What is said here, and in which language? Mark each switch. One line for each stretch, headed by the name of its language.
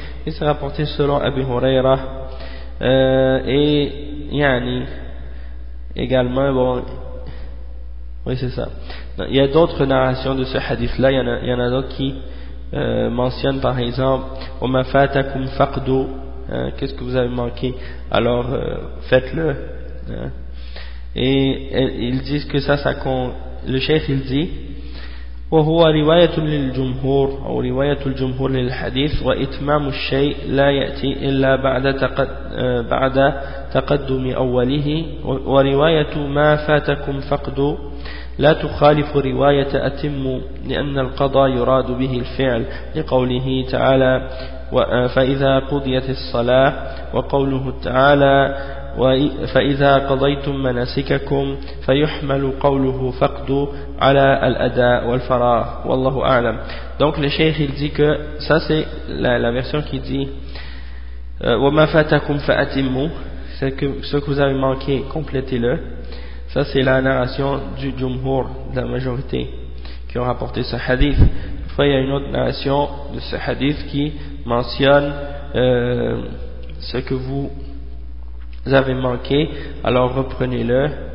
French: Il s'est rapporté selon Abu Huraira. Et Yani également, bon, oui, c'est ça. Il y a d'autres narrations de ce hadith-là. Il y en a d'autres qui mentionnent par exemple
Arabic: Oma fatakum faqdu,
French: hein, qu'est-ce que vous avez manqué, alors faites-le. Hein. Et ils disent que ça con... le chef il dit
Arabic: وهو رواية للجمهور أو رواية الجمهور للحديث وإتمام الشيء لا يأتي إلا بعد تقدم أوله ورواية ما فاتكم فقد لا تخالف رواية أتم لأن القضاء يراد به الفعل لقوله تعالى فإذا قضيت الصلاة وقوله تعالى فإذا قضيتم مناسككم فيحمل قوله فقد على الأداء والفراغ والله أعلم.
French: Donc le cheikh il dit que ça c'est la version qui dit
Arabic: وما فاتكم فأتموا,
French: c'est que ce que vous avez manqué complétez-le. Ça c'est la narration du jumhur, de la majorité qui ont rapporté ce hadith. Après il y a une autre narration de ce hadith qui mentionne ce que vous avez manqué, alors reprenez-le.